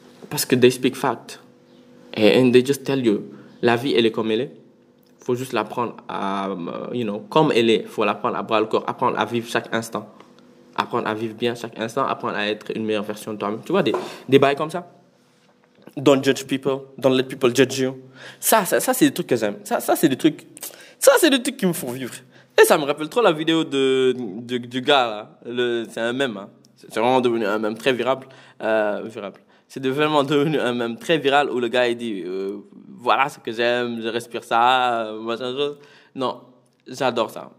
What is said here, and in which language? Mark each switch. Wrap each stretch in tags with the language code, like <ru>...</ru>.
<fr>Parce que</fr> <en>they speak fact. And they just tell you.</en> <fr>La vie, elle est comme elle est. Faut juste l'apprendre à, comme elle est. Faut l'apprendre à bras le corps. Apprendre à vivre chaque instant. Apprendre à vivre bien chaque instant, apprendre à être une meilleure version de toi-même. Tu vois, des bails comme ça.</fr> <en>Don't judge people, don't let people judge you.</en> <fr>Ça c'est des trucs que j'aime. Ça, c'est des trucs qui me font vivre. Et ça me rappelle trop la vidéo du gars, là. C'est un mème, hein. C'est vraiment devenu un mème très virable. C'est vraiment devenu un mème très viral où le gars, il dit, voilà ce que j'aime, je respire ça, machin, chose. Non. J'adore ça.</fr>